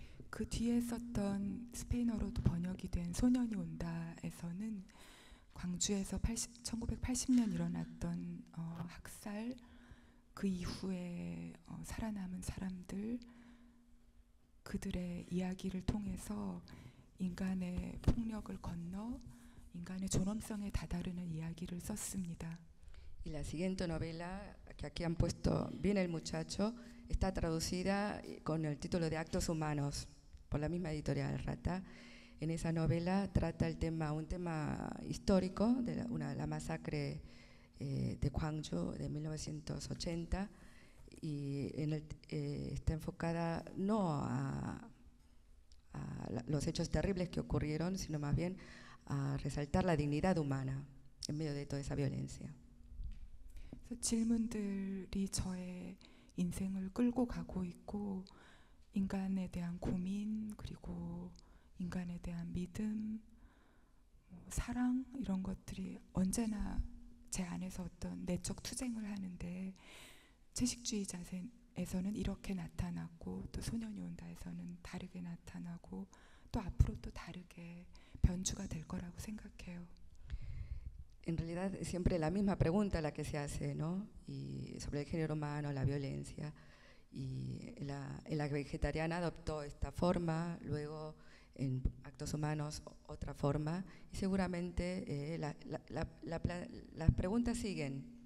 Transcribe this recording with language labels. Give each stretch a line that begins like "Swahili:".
Korean: 그 뒤에 썼던 스페인어로도 번역이 된 소년이 온다에서는 광주에서 1980년 일어났던 학살 그 이후에 살아남은 사람들 그들의 이야기를 통해서 인간의 폭력을 건너 인간의 존엄성에 다다르는 이야기를 썼습니다.
Spanish: Y la siguiente novela que aquí han puesto Viene el muchacho está traducida con el título de Actos humanos por la misma editorial Rata. En esa novela trata el tema, un tema histórico de la masacre de Gwangju de 1980 y en el, está enfocada no a los hechos terribles que ocurrieron, sino más bien a resaltar la dignidad humana en medio de toda esa violencia.
Korean: 질문들이 저의 인생을 끌고 가고 있고 인간에 대한 고민 그리고 인간에 대한 믿음, 사랑 이런 것들이 언제나 제 안에서 어떤 내적 투쟁을 하는데 채식주의 자세에서는 이렇게 나타났고 또 소년이 온다에서는 다르게 나타나고 또 앞으로 또 다르게 변주가 될 거라고 생각해요.
Spanish: En realidad es siempre la misma pregunta la que se hace, ¿no? Y sobre el género humano, la violencia. Y la vegetariana adoptó esta forma, luego en Actos humanos otra forma. Y seguramente las preguntas siguen.